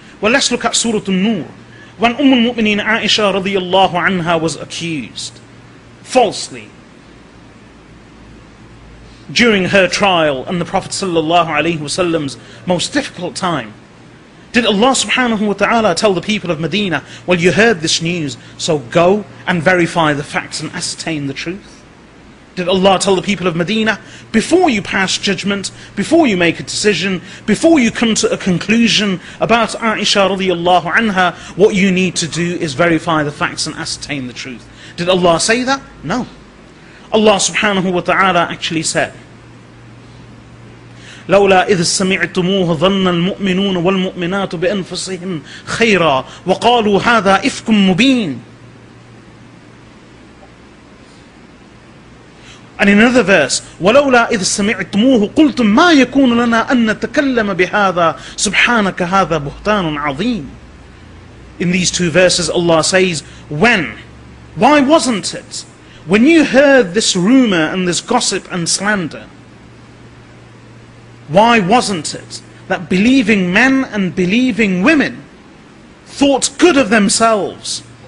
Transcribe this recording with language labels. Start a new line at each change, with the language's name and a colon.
English: Well, let's look at Surah An-Nur. When Umm al-Mu'mineen Aisha radiallahu anha was accused falsely during her trial and the Prophet sallallahu alaihi wasallam's most difficult time, did Allah subhanahu wa ta'ala tell the people of Medina, well, you heard this news, so go and verify the facts and ascertain the truth? Did Allah tell the people of Medina, before you pass judgment, before you make a decision, before you come to a conclusion about Aisha radiallahu anha, what you need to do is verify the facts and ascertain the truth? Did Allah say that? No. Allah subhanahu wa ta'ala actually said,
Arabic: لَوْلَا إِذْ سَمِعْتُمُوهُ ظَنَّ الْمُؤْمِنُونَ وَالْمُؤْمِنَاتُ بِأَنفُسِهِمْ خَيْرًا وَقَالُوا هَذَا إِفْكٌ مُبِينٌ.
English: And in another verse,
Arabic: وَلَوْلَا إِذْ سَمِعْتُمُوهُ قُلْتُمْ مَا يَكُونُ لَنَا أَن نَتَكَلَّمَ بِهَذَا سُبْحَانَكَ هَذَا بُهْتَانٌ عَظِيمٌ.
English: In these two verses, Allah says, when? Why wasn't it? When you heard this rumor and this gossip and slander, why wasn't it that believing men and believing women thought good of themselves?